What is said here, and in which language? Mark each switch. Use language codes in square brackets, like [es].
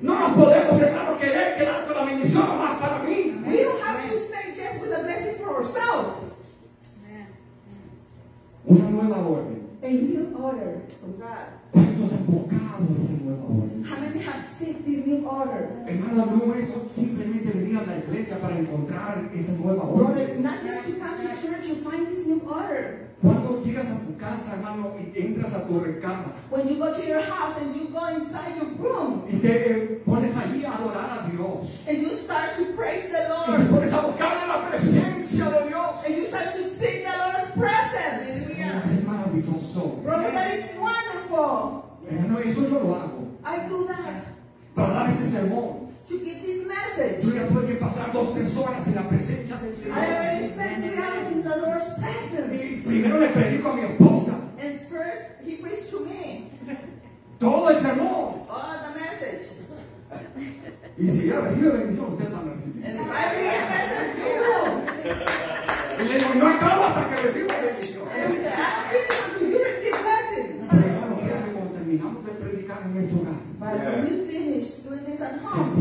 [es] No nos podemos hermano querer quedar con la bendición nomás para mí. [en] We don't have to stay just with the blessings for ourselves. [es] Una nueva orden. [en] A new order from God. [es] ¿Cuántos han buscado esa nueva orden? [en] How many have seen this new order? [es] Hermano, no es simplemente venir a la iglesia para encontrar esa nueva orden. [en] Brothers, not just to come to church to find this new order. [es] Cuando llegas a tu casa, hermano, y entras a tu recámara. [en] When you go to your house and you go inside your room. [es] Y te pones allí a adorar a Dios. [en] And you start to praise the Lord. [es] Y te pones a buscar la presencia de Dios. [en] And you start to sing the Lord's presence. [es] Eso es maravilloso. [en] Brother, that is wonderful. [es] Hermano, eso yo lo hago. [en] I do that. [es] Para dar ese sermón. [en] To give this message. [es] Yo ya tuve que pasar dos, tres horas en la presencia del Señor. [en] I already spent 3 hours in the Lord's presence. [es] Y primero le predico a mi esposa. [en] And first he preached to me. [es] Todo el sermón. [en] All the message. [es] Y si ella recibe bendición, usted también recibe. [en] And if I bring a message to you. [es] Y le digo, no acabo hasta que reciba bendición. [en] And he said, I'm preaching to you, receive blessing. [es] Pero hermano, cuando terminamos de predicar en este hogar. [en] But when you finish doing this at home,